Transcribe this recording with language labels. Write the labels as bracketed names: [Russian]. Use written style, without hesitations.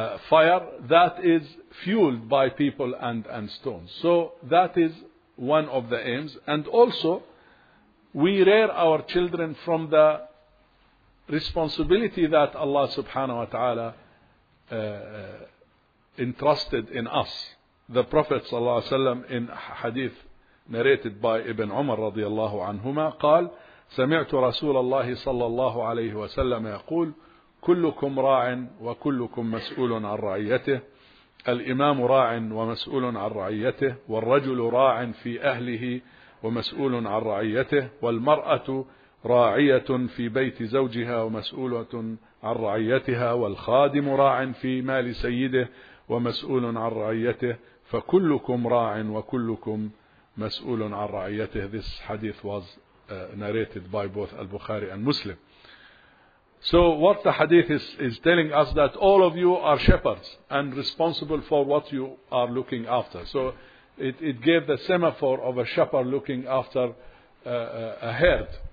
[English] Fire that is fueled by people and stones. So that is one of the aims. And also, we rear our children from the responsibility that Allah subhanahu wa ta'ala entrusted in us. The Prophet sallallahu alayhi wa sallam, in hadith narrated by Ibn Umar radiallahu anhuma, [Arabic] قال سمعت رسول الله صلى الله عليه وسلم يقول كلكم راع وكلكم مسؤول عن رعيته. الإمام راع ومسؤول عن رعيته، والرجل راع في أهله ومسؤول عن رعيته، والمرأة راعية في بيت زوجها ومسؤولة عن رعيتها، والخادم راع في مال سيده ومسؤول عن رعيته، فكلكم راع وكلكم مسؤول عن رعيته. [English] This hadith was narrated by both Al-Bukhari and Muslim. So what the hadith is telling us that all of you are shepherds and responsible for what you are looking after. So it gave the semaphore of a shepherd looking after a herd.